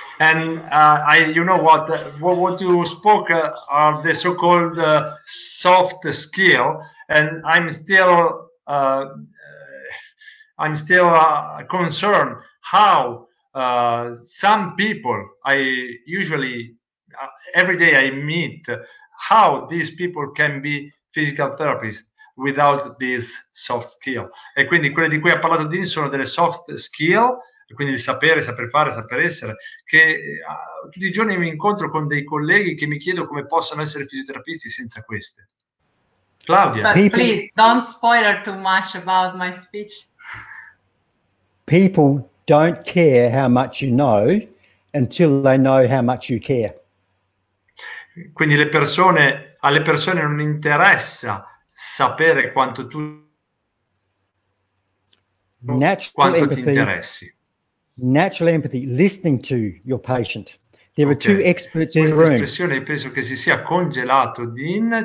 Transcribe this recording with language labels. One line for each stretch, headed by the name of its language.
English: And what you spoke of the so-called soft skill, and I'm still concerned how some people I usually every day I meet, how these people can be physical therapists without this soft skill.
Italian: E quindi quelle di cui ha parlato Dean sono delle soft skill, quindi il sapere, saper fare, saper essere, che tutti i giorni mi incontro con dei colleghi che mi chiedo come possano essere fisioterapisti senza queste.
English: Claudia, but please don't spoil too much about my speech. People don't care how much you know until they know how much you care.
Italian: Quindi alle persone non interessa sapere quanto tu interessi.
English: Natural empathy, listening to your patient. There are two experts in the room.
Italian: Questa espressione penso che si sia congelato, Dean.